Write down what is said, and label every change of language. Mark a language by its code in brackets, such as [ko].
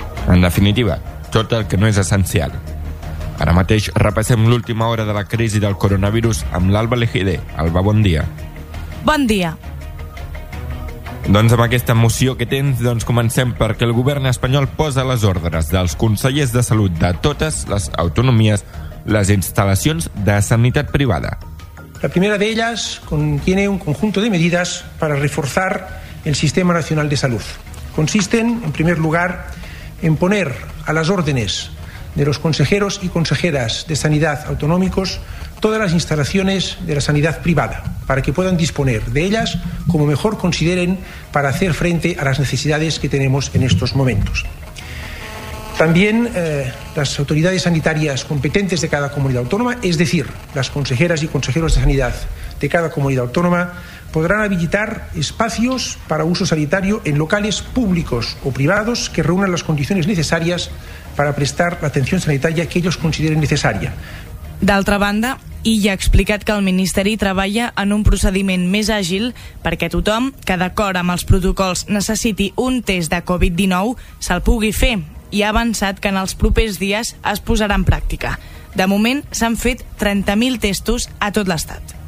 [ca] En definitiva, tot el que no és essencial. Ara mateix repassem l'última hora de la crisi del coronavirus amb l'Alba Legide. Alba, bon dia. Bon dia. Doncs amb aquesta moció que tens, doncs comencem perquè el govern espanyol posa les ordres dels consellers de salut de totes les autonomies les instal·lacions de sanitat privada. [es] La primera de ellas contiene un conjunto de medidas para reforzar el Sistema Nacional de Salud. Consisten, en primer lugar, en poner a las órdenes de los consejeros y consejeras de sanidad autonómicos todas las instalaciones de la sanidad privada, para que puedan disponer de ellas como mejor consideren para hacer frente a las necesidades que tenemos en estos momentos. También las autoridades sanitarias competentes de cada comunidad autónoma, es decir, las consejeras y consejeros de sanidad de cada comunidad autónoma, podrán habilitar espacios para uso sanitario en locales públicos o privados que reúnan las condiciones necesarias para prestar la atención sanitaria que ellos consideren necesaria. [ca] D'altra banda, Illa ha explicat que el Ministeri treballa en un procediment més àgil perquè tothom que d'acord amb els protocols necessiti un test de Covid-19 se'l pugui fer, i ha avançat que en els propers dies es posarà en pràctica. De moment s'han fet 30.000 testos a tot l'estat.